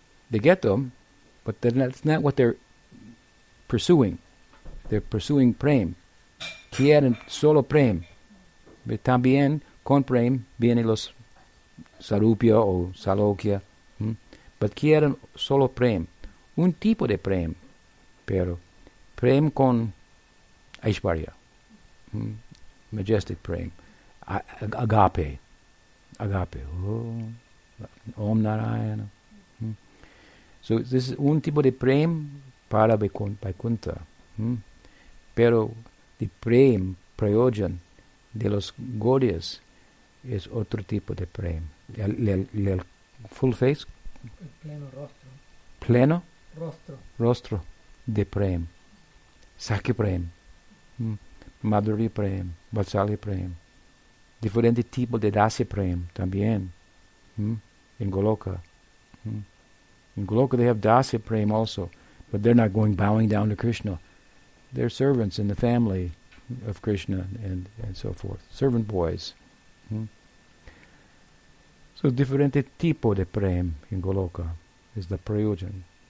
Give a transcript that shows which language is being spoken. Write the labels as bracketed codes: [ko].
[en] They get them, but that's not what they're pursuing. They're pursuing prem. [es] Quieren solo prem. Pero también con prem vienen los sarupya o salokya. Hmm? But quieren solo prem. Un tipo de prem. Pero prem con Aishwarya, hmm? [en] Majestic prem, agape, oh. Om Narayana. Hmm? So this is [es] un tipo de prem para Vaikuntha. Hmm? Pero the prem, prayojan, de los Gaudias, es otro tipo de prem. El full face? El pleno rostro. Pleno? Rostro. Rostro de prem. Sakya prem. Mm. Madhuri Prem, Vatsali Prem, diferente tipo de Dasya Prem también, mm? [en] In Goloka. Mm? In Goloka they have Dasya Prem also, but they're not going bowing down to Krishna. They're servants in the family of Krishna and so forth, servant boys. Mm? So [es] diferente tipo de [en] Prem in Goloka is the Prayojan.